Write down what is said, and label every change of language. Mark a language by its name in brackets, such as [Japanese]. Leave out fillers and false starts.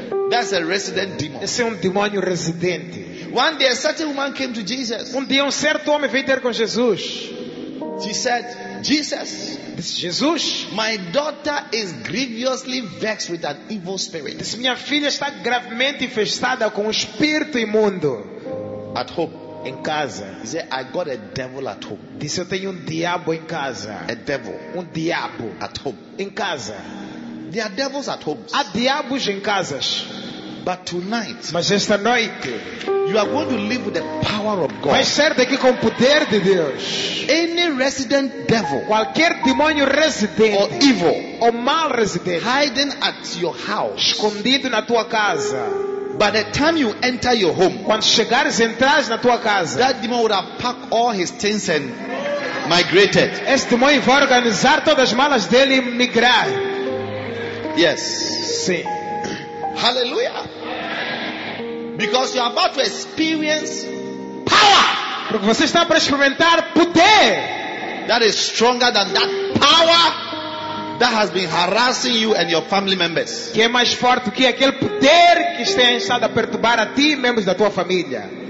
[English] That's a resident demon. [Portuguese] Esse é demônio residente. [English] One day a certain woman came to Jesus. [Portuguese] Dia certo homem veio ter com Jesus. [English] She said, Jesus. [Portuguese] Jesus, [English] my daughter is grievously vexed with an evil spirit. [Portuguese] Minha filha está gravemente infestada com espírito imundo. [English] At home, [Portuguese] em casa. [English] He said, I got a devil at home. [Portuguese] Disse, eu tenho diabo em casa. [English] A devil, [Portuguese] diabo [English] at home. [Portuguese] Em casa. [English] There are devils at home. [Portuguese] Há diabos em casas. [English] But tonight, [Portuguese] mas esta noite, [English] you are going to live with the power of God. [Portuguese] Vai ser daqui com o poder de Deus. [English] Any resident devil, [Portuguese] qualquer demônio residente, [English] or evil, [Portuguese] ou mal residente, [English] hiding at your house, [Portuguese] escondido na tua casa. [English] By the time you enter your home, [Portuguese] quando chegares entras na tua casa, [English] that demon would have packed all his things and migrated. [Portuguese] Este homem vai organizar todas as malas dele e migrar. [English] Yes. [Portuguese] Sim. [English] Hallelujah. Because you are about to experience power. [Portuguese] Porque você está para experimentar poder. [English] That is stronger than that power that has been harassing you and your family members. [Portuguese] Que é mais forte que aquele poder que está a perturbar a ti e membros da tua família.